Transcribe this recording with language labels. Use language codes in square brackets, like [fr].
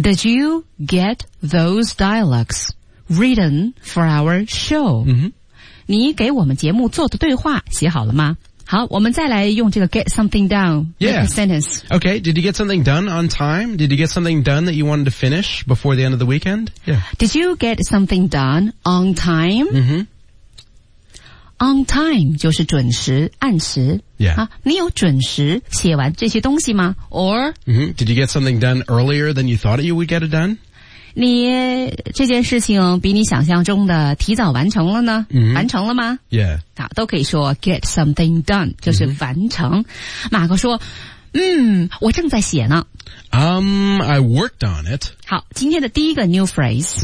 [en] Did you get those dialogues written for our show? Mm-hmm. [zh] 你给我们节目做的对话写好了吗？好，我们再来用这个 [en] get something done. Yeah. Make a sentence. Okay, did you get something done on time? Did you get something done that you wanted to finish before the end of the weekend? Yeah. Did you get something done on time? Mm-hmm. On time [zh] 就是准时、按时。 [en] Yeah. [zh] 你有准时写完这些东西吗？ [en] Or,、 mm-hmm. Did you get something done earlier than you thought you would get it done? [zh] 你这件事情比你想象中的提早完成了呢、 mm-hmm. 完成了吗 [en] Yeah. [zh] 好，都可以说 [en] get something done, [zh] 就是完成。Mm-hmm. 马克说我正在写呢。 [en] I worked on it. [zh] 好，今天的第一个 [en] new phrase,、